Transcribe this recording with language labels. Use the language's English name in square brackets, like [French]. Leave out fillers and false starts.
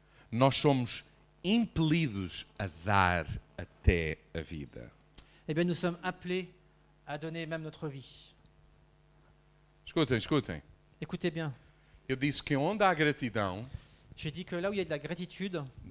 [Portuguese] Nós somos impelidos a dar até a vida. [French] Eh bien, nous sommes appelés à donner même notre vie. [Portuguese] Escutem. [French] Écoutez bien. [Portuguese] Eu disse que onde há gratidão. [French] J'ai dit que là où il y a de la gratitude.